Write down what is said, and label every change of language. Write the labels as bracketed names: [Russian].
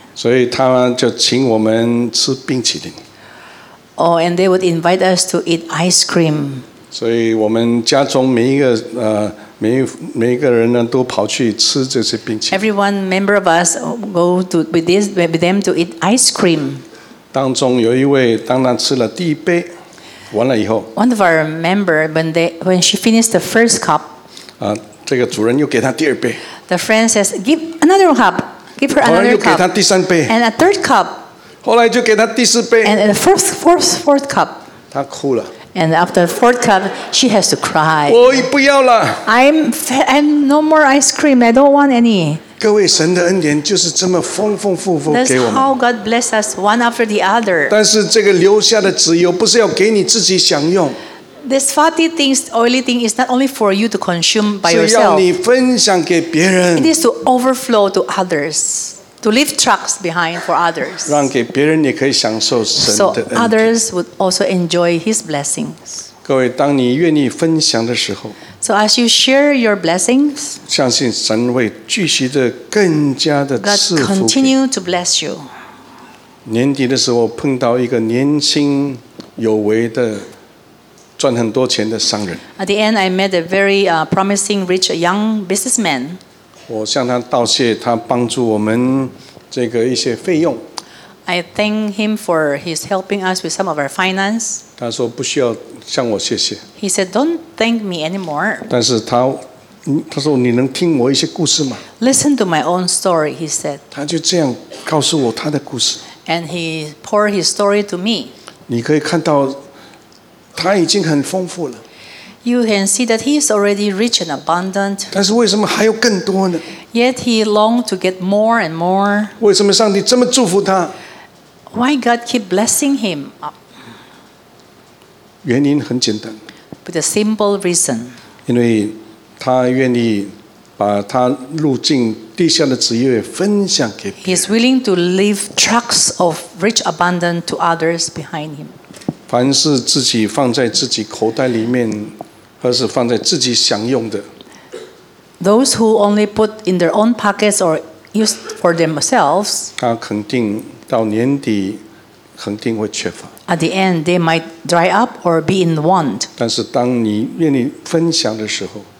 [Chinese] 所以他就请我们吃冰淇淋。 [English] Oh, and they would invite us to eat ice cream. [Chinese] 所以我们家中每一个每一个人呢都跑去吃这些冰淇淋。 [English] Everyone member of us go to with them to eat ice cream. [Chinese] 当中有一位当他吃了第一杯，完了以后。 [English] One of our member when she finished the first cup. [Chinese] 啊，这个主人又给他第二杯。 [English] The friend says, "Give another cup. Give her another cup." [Chinese] 后来又给他第三杯。 [English] And a third cup. [Chinese] 后来就给他第四杯。 [English] And the fourth cup. [Chinese] 他哭了。 [English] And after the fourth cup, she has to cry. [Chinese] 我不要了。 [English] I'm no more ice cream. I don't want any. [Chinese] 各位，神的恩典就是这么丰丰富富给我们。 [English] That's how God bless us one after the other. [Chinese] 但是这个留下的籽油不是要给你自己享用。 [English] This fatty things, oily thing, is not only for you to consume by yourself. [Chinese] 是要你分享给别人。 [English] It is to overflow to others, to leave tracks behind for others. [Chinese] 让给别人也可以享受神的恩典。 [English] So others would also enjoy His blessings. [Chinese] 各位，当你愿意分享的时候 [English] ，So as you share your blessings, [Chinese] 相信神会继续的更加的赐福。 [English] God continue to bless you. [Chinese] 年底的时候，碰到一个年轻有为的。赚很多钱的商人。 [English] At the end, I met a very promising, rich, young businessman. [Chinese] 我向他道谢，他帮助我们这个一些费用。 [English] I thank him for his helping us with some of our finance. [Chinese] 他说不需要向我谢谢。 [English] He said, "Don't thank me anymore." [Chinese] 但是他说你能听我一些故事吗 [English] ？Listen to my own story, he said. [Chinese] 他就这样告诉我他的故事。 [English] And he poured his story to me. [Chinese] 你可以看到。他已经很丰富了。 [English] You can see that he is already rich and abundant. [Chinese] 但是为什么还有更多呢 [English] ？Yet he longed to get more and more. [Chinese] 为什么上帝这么祝福他 [English] ？Why God keep blessing him? [Chinese] 原因很简单。 [English] But a simple reason. [Chinese] 因为他愿意把他路径地下的职业分享给别人。 [English] He is willing to leave tracks of rich abundance to others behind him. [Chinese] 凡是自己放在自己口袋里面，或是放在自己享用的 [English] ，those who only put in their own pockets or use for themselves， [Chinese] 他肯定到年底肯定会缺乏。 [English] At the end, they might dry up or be in want。 [Chinese] 但是当你愿意分享的时候